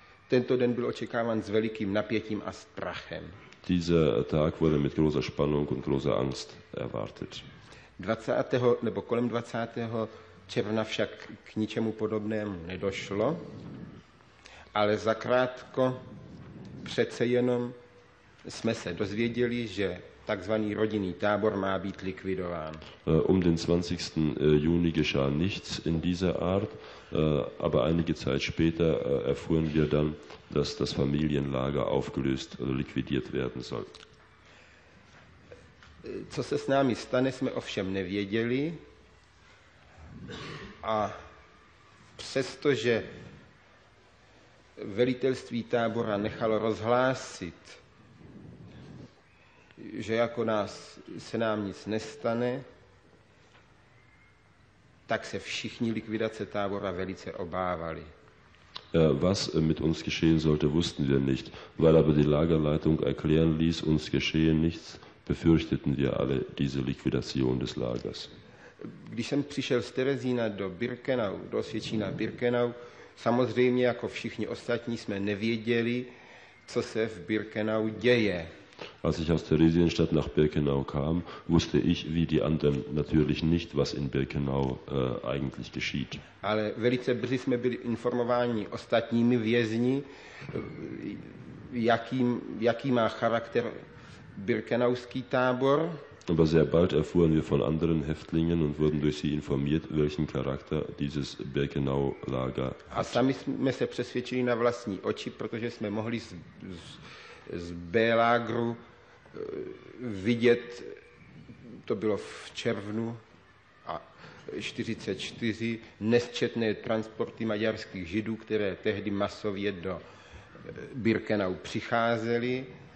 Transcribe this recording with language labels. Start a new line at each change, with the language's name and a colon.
Czech: Tento den byl očekáván s velikým napětím a strachem.
German: Dieser Tag wurde mit großer Spannung und großer Angst erwartet.
Czech: 20. nebo kolem 20. června však k ničemu podobnému nedošlo, ale zakrátko přece jenom jsme se dozvěděli, že takzvaný rodinný tábor má být likvidován.
German: Den 20. juni geschah nichts in dieser Art, aber einige Zeit später erfuhren wir dann, dass das Familienlager aufgelöst oder liquidiert werden soll.
Czech: Co se s námi stane, jsme ovšem nevěděli. A přestože velitelství tábora nechalo rozhlásit, že jako nás se nám nic nestane, tak se všichni likvidace tábora velice obávali.
German: Was mit uns geschehen sollte, wussten wir nicht, weil aber die Lagerleitung erklären ließ, uns geschehe nichts, befürchteten wir alle diese Liquidation des Lagers.
Czech: Když jsem přišel z Terezína do Birkenau, do Osvětšína Birkenau, samozřejmě jako všichni ostatní jsme nevěděli, co se v Birkenau děje.
German: Als ich aus Theresienstadt nach Birkenau kam, wusste ich wie die anderen natürlich nicht, was in Birkenau eigentlich geschieht.
Czech: Ale velice brzy jsme byli informováni ostatními vězni, jaký má charakter birkenauský tábor.
German: Aber sehr bald erfuhren wir von anderen Häftlingen und wurden durch sie informiert, welchen Charakter dieses Birkenau-Lager hat.
Czech: A sami jsme se přesvědčili na vlastní oči, protože jsme mohli z B-Lagru vidět, to bylo v červnu a 44, nesčetné transporty maďarských Židů, které tehdy masově do Birkenau přicházely.